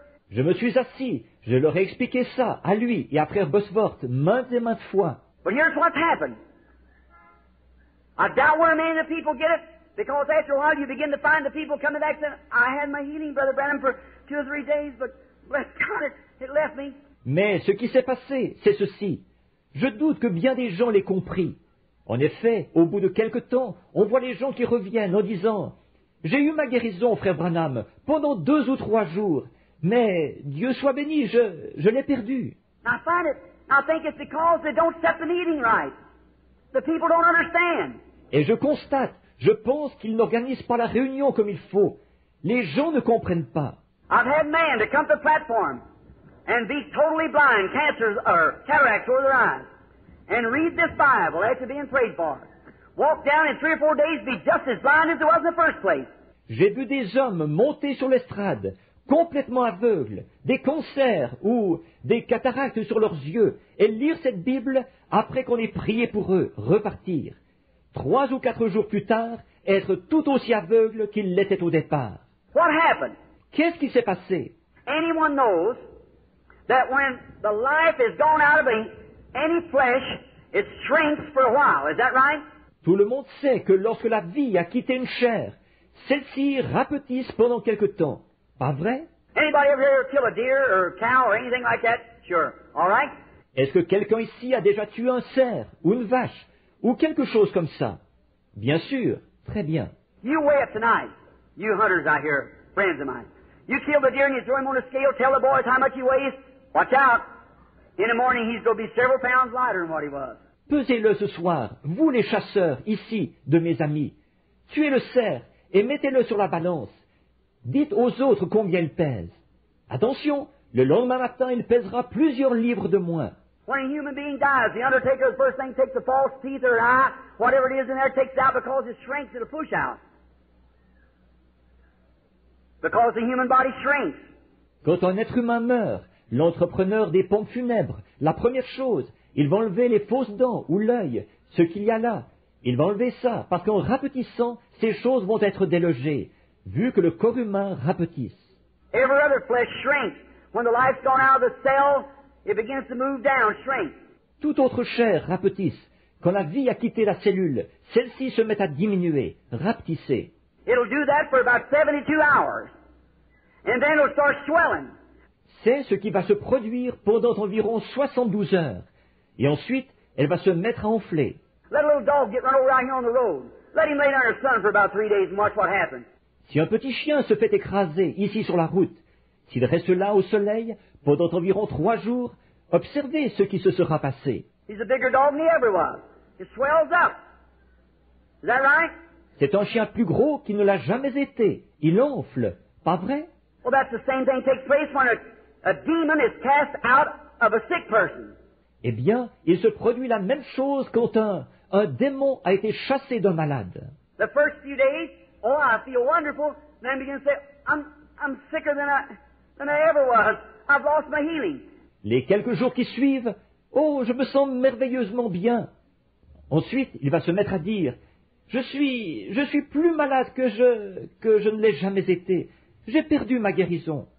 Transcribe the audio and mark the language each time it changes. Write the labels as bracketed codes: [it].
[fr] Je me suis assis, je leur ai expliqué ça à lui et à Frère Bosworth maintes et maintes fois. [en] But here's what happened. I doubt where many of the people get it. Because after a while you begin to find the people coming back saying, I had my healing, Brother Branham, for two or three days, but bless God, it left me. [fr] Mais ce qui s'est passé, c'est ceci. Je doute que bien des gens l'aient compris. En effet, au bout de quelque temps, on voit les gens qui reviennent en disant, j'ai eu ma guérison, Frère Branham, pendant deux ou trois jours, mais Dieu soit béni, je l'ai perdu. [en] I find it, I think it's because they don't set the meeting right. The people don't understand. [fr] Et je constate, je pense qu'ils n'organisent pas la réunion comme il faut. Les gens ne comprennent pas. [en] I've had man to come to the platform and be totally blind, cancers or cataracts over their eyes, and read this Bible after being prayed for. Walk down in three or four days, be just as blind as it was in the first place. [fr] J'ai vu des hommes monter sur l'estrade, complètement aveugles, des cancers ou des cataractes sur leurs yeux, et lire cette Bible après qu'on ait prié pour eux, repartir. Trois ou quatre jours plus tard, être tout aussi aveugle qu'il l'était au départ. [en] What happened? [fr] Qu'est-ce qui s'est passé? [en] Anyone knows that when the life is gone out of any flesh, it shrinks for a while. Is that right? [fr] Tout le monde sait que lorsque la vie a quitté une chair, celle-ci rapetisse pendant quelque temps. Pas vrai? [en] Anybody ever kill a deer or a cow or anything like that? Sure. All right? [fr] Est-ce que quelqu'un ici a déjà tué un cerf ou une vache? Ou quelque chose comme ça. Bien sûr, très bien. [en] You weigh it tonight, you hunters out here, friends of mine. You kill the deer and you throw him on the scale, tell the boys how much he weighs. Watch out. In the morning, he's going to be several pounds lighter than what he was. [fr] Pesez-le ce soir, vous les chasseurs, ici, de mes amis. Tuez le cerf et mettez-le sur la balance. Dites aux autres combien il pèse. Attention, le lendemain matin, il pèsera plusieurs livres de moins. [en] When a human being dies, the undertaker, the first thing, takes the false teeth or eye, whatever it is in there, takes it out because it shrinks, it'll push out. Because the human body shrinks. [fr] Quand un être humain meurt, l'entrepreneur des pompes funèbres, la première chose, il va enlever les fausses dents ou l'œil, ce qu'il y a là. Il va enlever ça, parce qu'en rapetissant, ces choses vont être délogées, vu que le corps humain rapetisse. [en] Every other flesh shrinks. When the life's gone out of the cell, it begins to move down, shrink. [fr] Toute autre chair rapetisse. Quand la vie a quitté la cellule, celle-ci se met à diminuer, rapetisser. [en] It'll do that for about 72 hours. And then it'll start swelling. [fr] C'est ce qui va se produire pendant environ 72 heures. Et ensuite, elle va se mettre à enfler. [en] Let a little dog get run over out here on the road. Let him lay down under the sun for about 3 days and watch what happens. [fr] Si un petit chien se fait écraser ici sur la route, s'il reste là au soleil pendant environ 3 jours, observez ce qui se sera passé. [en] He's a bigger dog than he ever was. He swells up. Is that right? [fr] C'est un chien plus gros qu'il ne l'a jamais été. Il enfle, pas vrai? [en] Well, that's the same thing takes place when a demon is cast out of a sick person. [fr] Eh bien, il se produit la même chose quand un démon a été chassé d'un malade. [en] The first few days, oh, I feel wonderful. Then begin to say, I'm sicker than I. And I ever was. I've lost my healing. [fr] Les quelques jours qui suivent, oh, je me sens merveilleusement bien. Ensuite, il va se mettre à dire, je suis plus malade que je ne l'ai jamais été. J'ai perdu ma guérison.